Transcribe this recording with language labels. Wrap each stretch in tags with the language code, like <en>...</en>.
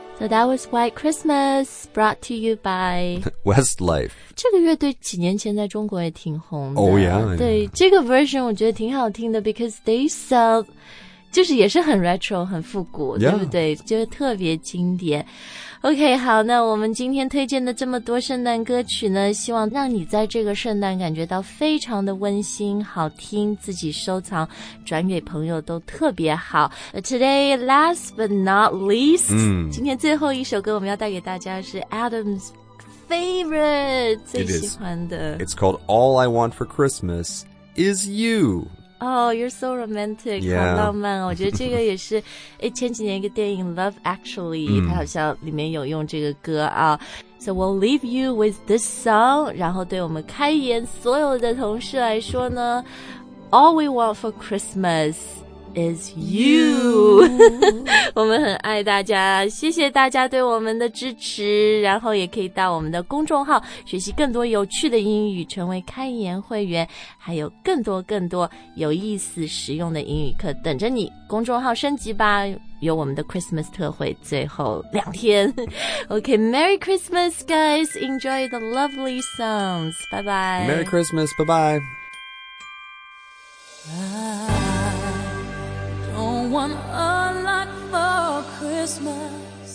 <en>So that was White Christmas, brought to you by Westlife.</en> <zh>这个乐队几年前在中国也挺红的。</zh> <en>Oh yeah.</en> <zh>对，这个 version 我觉得挺好听的 ，</zh> <en>because they sell</en> <zh>就是也是很 retro 很复古，</zh> <en>yeah.</en> <zh>对不对？就是特别经典。 OK, 好，那我们今天推荐的这么多圣诞歌曲呢，希望让你在这个圣诞感觉到非常的温馨，好听，自己收藏，转给朋友都特别好。</zh> <en>Today, last but not least,</en> <zh>今天最后一首歌我们要带给大家是</zh> <en>Adam's favorite,</en> <zh>最喜欢的。</zh> <en>It's called All I Want for Christmas Is You Oh, you're so romantic. Yeah.</en> <zh>好浪漫哦。我觉得这个也是前几年一个电影 Love Actually, 它好像里面有用这个歌啊。</zh> <en>So we'll leave you with this song.</en> <zh>然后对我们开言所有的同事来说呢</zh> <en>All we want for Christmas is you.</en> <zh>我们很爱大家，谢谢大家对我们的支持。然后也可以到我们的公众号学习更多有趣的英语，成为开言会员，还有更多更多有意思实用的英语课等着你。公众号升级吧，有我们的 Christmas 特惠，最后两天。</zh> <en>OK, Merry Christmas, guys. Enjoy the lovely songs. Bye bye. Merry Christmas. Bye bye. I don't want a lot for Christmas.</en>